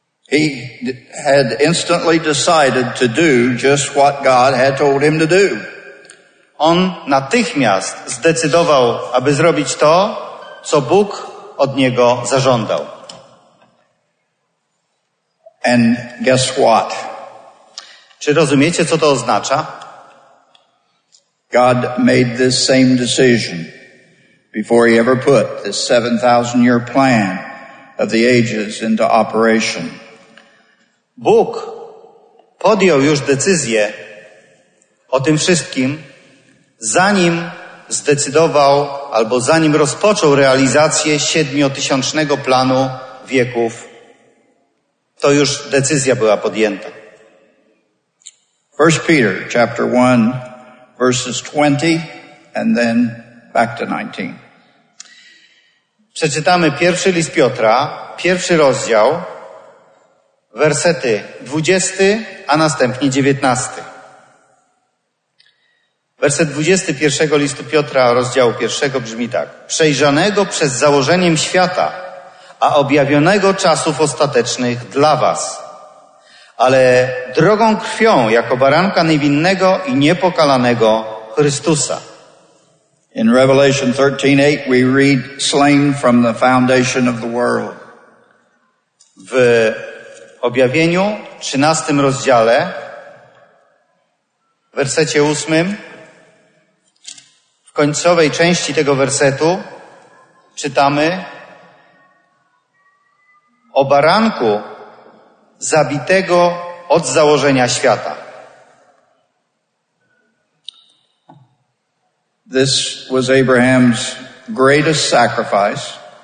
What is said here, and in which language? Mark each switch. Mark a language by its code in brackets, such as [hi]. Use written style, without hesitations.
[en] He had instantly decided to do just what God had told him to do. [pl] On natychmiast zdecydował, aby zrobić to, co Bóg od niego zażądał. [en] And guess what? [pl] Czy rozumiecie, co to oznacza? [en] God made this same decision before he ever put this 7,000-year plan of the ages into operation. [pl] Bóg podjął już decyzję o tym wszystkim, zanim zdecydował, albo zanim rozpoczął realizację 7,000-tysięcznego planu wieków, to już decyzja była podjęta. [en] 1 Peter chapter 1, verses 20, and then back to 19. [pl] Przeczytamy pierwszy list Piotra, pierwszy rozdział, wersety 20, a następnie 19. Werset 21 listu Piotra, rozdziału 1 brzmi tak. Przejrzanego przed założeniem świata, a objawionego czasów ostatecznych dla was, ale drogą krwią jako baranka niewinnego i niepokalanego Chrystusa. [en] In Revelation 13:8 we read slain from the foundation of the world. [pl] W objawieniu 13 rozdziale, wersecie 8, w końcowej części tego wersetu czytamy o baranku zabitego od założenia świata. [en] This was Abraham's greatest sacrifice.